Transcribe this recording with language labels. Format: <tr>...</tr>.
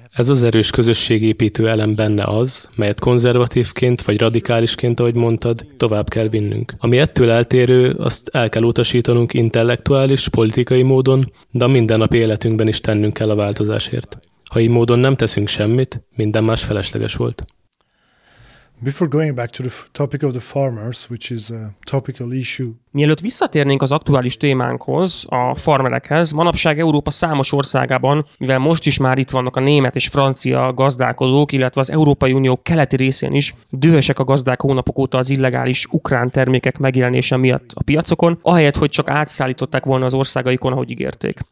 <hu>Ez az erős közösségépítő elem benne az, melyet konzervatívként vagy radikálisként, ahogy mondtad, tovább kell vinnünk. Ami ettől eltérő, azt el kell utasítanunk intellektuális, politikai módon, de a mindennapi életünkben is tennünk kell a változásért. Ha így módon nem teszünk semmit, minden más felesleges volt.</hu> <en>Before going back to the topic of the farmers, which is a topical issue.</en> <hu>Mielőtt visszatérnénk az aktuális témánkhoz, a farmerekhez, manapság Európa számos országában, mivel most is már itt vannak a német és francia gazdálkodók, illetve az Európai Unió keleti részén is, dühösek a gazdák hónapok óta az illegális ukrán termékek megjelenése miatt a piacokon, ahelyett, hogy csak átszállították volna az országaikon, ahogy ígérték.</hu>